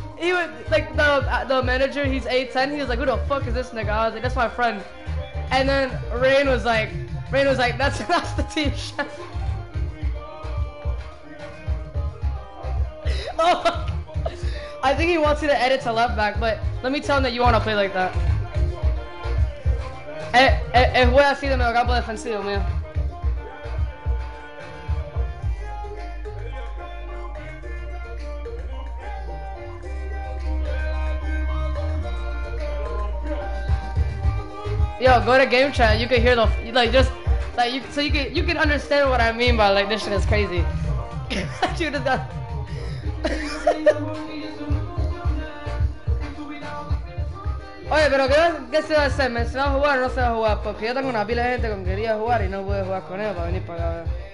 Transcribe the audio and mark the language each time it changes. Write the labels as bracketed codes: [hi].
[en] He was like the manager, he's A10, he was like, who the fuck is this nigga? I was like, that's my friend. And then Rain was like, that's the team chef. Oh my god. I think he wants you to edit to left back, but let me tell him that you wanna play like that. [es] Voy a hacer el medio campo defensivo, man. [en] Yo, go to game chat. You can hear the like, just like you, so you can understand what I mean by like this shit is crazy. <Shoot it down. [es] laughs> Oye, pero qué se va a hacer? ¿Me se va a jugar o no se va a jugar? Porque yo tengo una pila de gente con que quería jugar y no pude jugar con ellos para venir para acá.